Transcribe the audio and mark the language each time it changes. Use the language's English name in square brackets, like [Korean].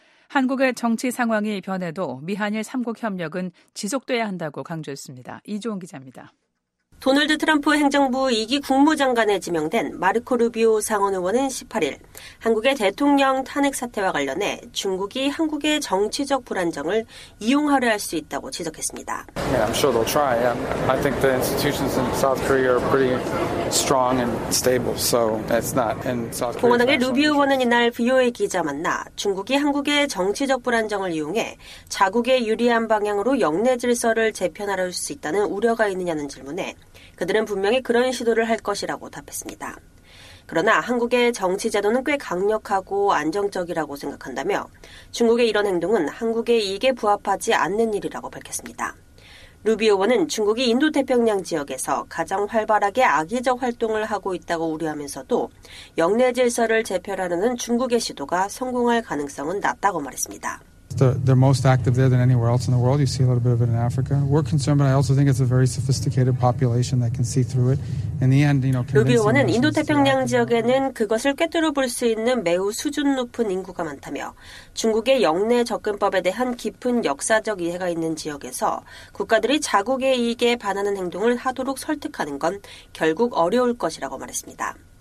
[Korean] 한국의 정치 상황이 변해도 미한일 3국 협력은 지속돼야 한다고 강조했습니다. 이종 기자입니다. 도널드 트럼프 행정부 2기 국무장관에 지명된 마르코 루비오 상원 의원은 18일 한국의 대통령 탄핵 사태와 관련해 중국이 한국의 정치적 불안정을 이용하려 할 수 있다고 지적했습니다. [English] Yeah, I'm sure they'll try. I think the institutions in South Korea are pretty strong and stable, so that's not in South Korea. [Korean] 공화당의 루비오 의원은 이날 VOA 기자 만나 중국이 한국의 정치적 불안정을 이용해 자국에 유리한 방향으로 영내 질서를 재편하려 할 수 있다는 우려가 있느냐는 질문에 그들은 분명히 그런 시도를 할 것이라고 답했습니다. 그러나 한국의 정치 제도는 꽤 강력하고 안정적이라고 생각한다며 중국의 이런 행동은 한국의 이익에 부합하지 않는 일이라고 밝혔습니다. 루비오 의원은 중국이 인도태평양 지역에서 가장 활발하게 악의적 활동을 하고 있다고 우려하면서도 영내 질서를 재편하려는 중국의 시도가 성공할 가능성은 낮다고 말했습니다. [English] They're most active there than anywhere else in the world. You see a little bit of it in Africa. We're concerned, but I also think it's a very sophisticated population that can see through it. In the end, you know, [Korean] 루비오는 인도태평양 지역에는 그것을 꿰뚫어 볼 수 있는 매우 수준 높은 인구가 많다며 중국의 영내 접근법에 대한 깊은 역사적 이해가 있는 지역에서 국가들이 자국의 이익에 반하는 행동을 하도록 설득하는 건 결국 어려울 것이라고 말했습니다.